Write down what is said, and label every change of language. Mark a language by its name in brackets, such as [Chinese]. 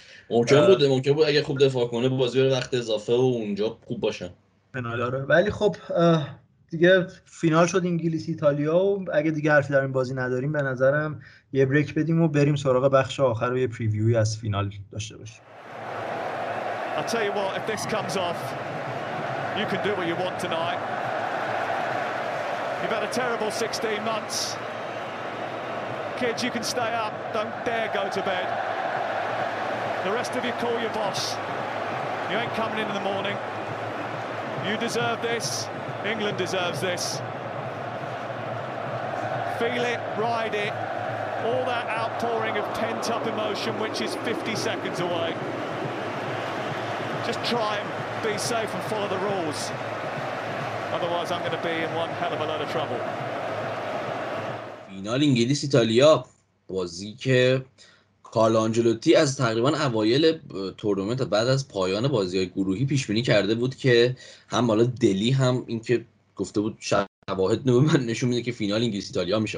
[Persian] ممکن بود، ممکن بود اگه خوب دفاع کنه بازی رو وقت اضافه و اونجا خوب باشن پنالارو. ولی خب دیگه فینال شد انگلیس ایتالیا، و اگه دیگه حرفی در این بازی نداریم به نظرم یه بریک بدیم و بریم سراغ بخش آخر و یه پریویو از فینال داشته باشیم. [English] I'll tell you what, if this comes off you can do what you want tonight. You've had a terrible 16 months. Kids, you can stay up. Don't dare go to bed. The rest of you call your boss. You ain't coming in the morning. You deserve this. England deserves this. Feel it, ride it. All that outpouring of pent-up emotion, which is 50 seconds away. Just try and be safe and follow the rules. Otherwise, I'm going to be in one hell of a lot of trouble. [Persian] فینال انگلیس ایتالیا، بازی که کارلو آنجلوتی از تقریبا اوایل تورنمنت بعد از پایان بازی‌های گروهی پیش‌بینی کرده بود، که هم حالا دلی هم اینکه گفته بود شواهد نشون میده که فینال انگلیس ایتالیا میشه.